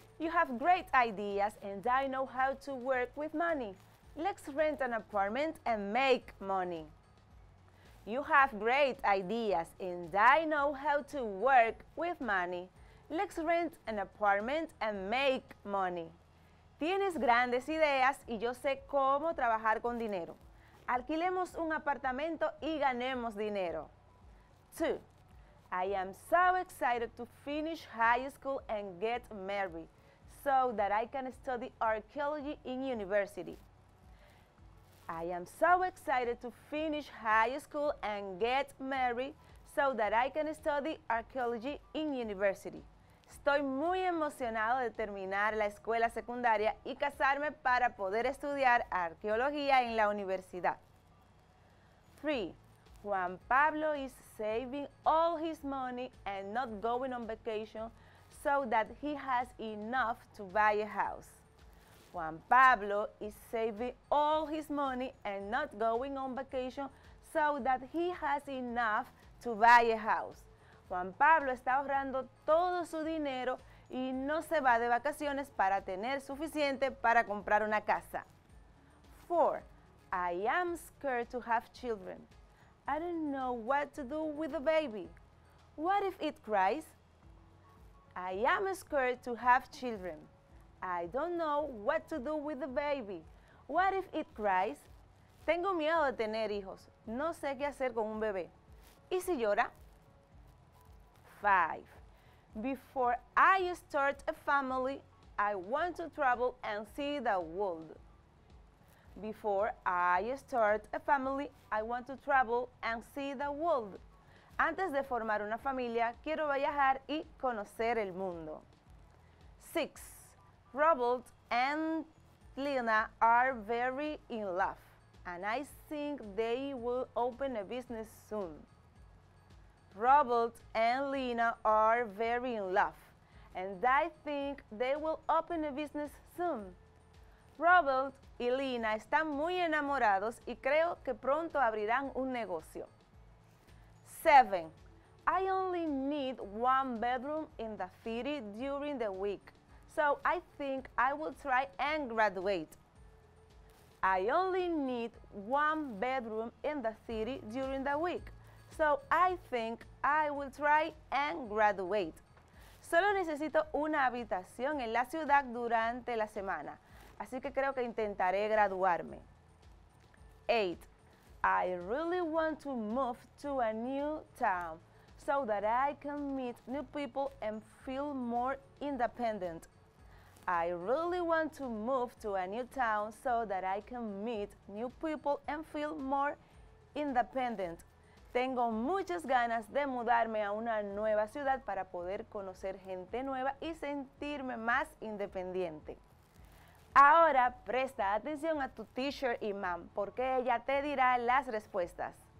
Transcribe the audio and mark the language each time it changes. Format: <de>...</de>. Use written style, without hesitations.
<en>You have great ideas and I know how to work with money. Let's rent an apartment and make money. You have great ideas and I know how to work with money. Let's rent an apartment and make money.</en> <es>Tienes grandes ideas y yo sé cómo trabajar con dinero. Alquilemos un apartamento y ganemos dinero. 2.</es> <en>I am so excited to finish high school and get married so that I can study archaeology in university. I am so excited to finish high school and get married so that I can study archaeology in university.</en> <es>Estoy muy emocionado de terminar la escuela secundaria y casarme para poder estudiar arqueología en la universidad.</es> <en>3. Juan Pablo is saving all his money and not going on vacation so that he has enough to buy a house. Juan Pablo is saving all his money and not going on vacation so that he has enough to buy a house.</en> <es>Juan Pablo está ahorrando todo su dinero y no se va de vacaciones para tener suficiente para comprar una casa.</es> <en>4. I am scared to have children. I don't know what to do with the baby. What if it cries? I am scared to have children. I don't know what to do with the baby. What if it cries?</en> <es>Tengo miedo de tener hijos. No sé qué hacer con un bebé. ¿Y si llora? 5.</es> <en>Before I start a family, I want to travel and see the world. Before I start a family, I want to travel and see the world.</en> <es>Antes de formar una familia, quiero viajar y conocer el mundo.</es> <en>6. Robert and Lena are very in love, and I think they will open a business soon. Robert and Lena are very in love, and I think they will open a business soon.</en> <es>Robert y Lena están muy enamorados y creo que pronto abrirán un negocio.</es> <en>7. I only need one bedroom in the city during the week, so I think I will try and graduate. I only need one bedroom in the city during the week, so I think I will try and graduate.</en> <es>Solo necesito una habitación en la ciudad durante la semana, así que creo que intentaré graduarme.</es> <en>8. I really want to move to a new town so that I can meet new people and feel more independent. I really want to move to a new town so that I can meet new people and feel more independent.</en> <es>Tengo muchas ganas de mudarme a una nueva ciudad para poder conocer gente nueva y sentirme más independiente. Ahora presta atención a tu teacher imam porque ella te dirá las respuestas.</es>